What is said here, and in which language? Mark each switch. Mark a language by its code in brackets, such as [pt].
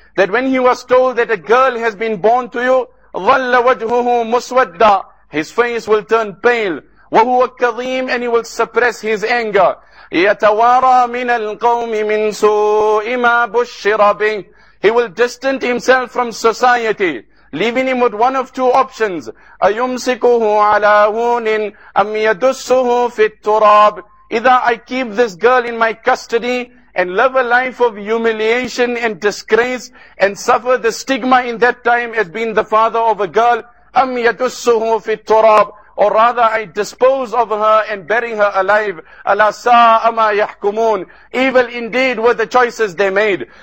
[en] That when he was told that a girl has been born to you, [ar] ظَلَّ وَجُهُهُ مُسْوَدًّا, [en] his face will turn pale. [ar] وَهُوَ كَظِيمٌ, [en] and he will suppress his anger. [ar] يَتَوَارَى مِنَ الْقَوْمِ مِنْ سُوءِ مَا بُشِّرَ بِهِ. [en] He will distance himself from society, leaving him with one of two options. [ar] أَيُمْسِكُهُ عَلَىٰ هُونٍ أَمْ يَدُسُّهُ فِي التُّرَابِ. [en] Either I keep this girl in my custody and live a life of humiliation and disgrace and suffer the stigma in that time as being the father of a girl. [ar] أَمْ يَدُسُّهُ فِي التُّرَابِ. [en] Or rather, I dispose of her and bury her alive. [ar] Ala sa ama yahkumun. [en] Evil indeed were the choices they made.